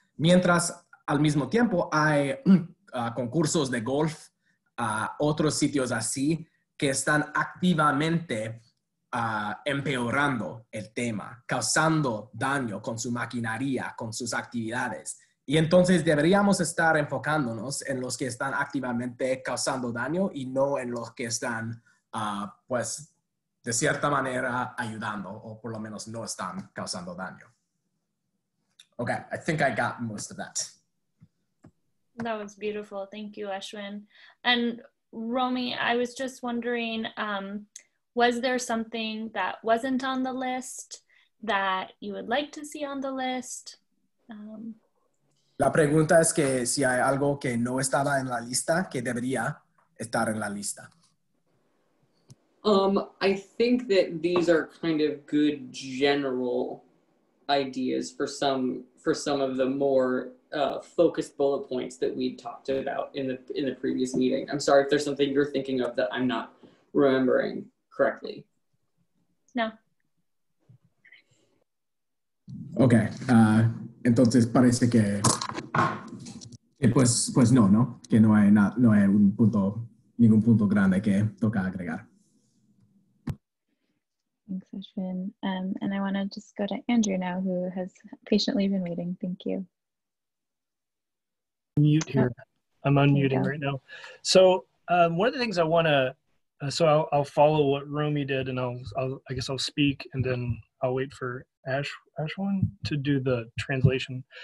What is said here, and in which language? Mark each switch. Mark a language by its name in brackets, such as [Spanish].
[Spanish] Mientras, al mismo tiempo, hay concursos de golf, otros sitios así, que están activamente empeorando el tema, causando daño con su maquinaria, con sus actividades. Y entonces deberíamos estar enfocándonos en los que están activamente causando daño y no en los que están, pues, de cierta manera ayudando o por lo menos no están causando daño. [English] Okay, I think I got most of that. That was beautiful. Thank you, Ashwin. And Romy, I was just wondering, was there something that wasn't on the list that you would like to see on the list? [Spanish] La pregunta es que si hay algo que no estaba en la lista que debería estar en la lista? [English] I think that these are kind of good general ideas for some of the more focused bullet points that we talked about in the previous meeting. I'm sorry if there's something you're thinking of that I'm not remembering correctly. No. Okay. [Spanish] Entonces parece que pues no, que no hay un punto, ningún punto grande que toca agregar. [English] Thanks, Ashwin. And I want to just go to Andrew now, who has patiently been waiting. Thank you. Mute here. Oh, I'm unmuting right now. So one of the things I want to, I'll follow what Romy did, and I guess I'll speak, and then I'll wait for Ashwin to do the translation.